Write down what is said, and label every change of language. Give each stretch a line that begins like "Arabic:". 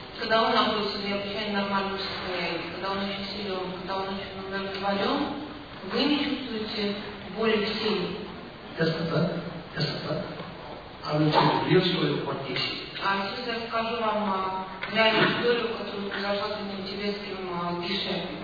Russian: Когда он находится в необычайно нормальном состоянии, когда он очень силен, когда он очень удовлетворен, вы не чувствуете боли в силе.
English: Just like that. I will tell you the real story of what is it.
Russian: А сейчас я скажу вам реальную историю, которую произошла с этим тибетским гише.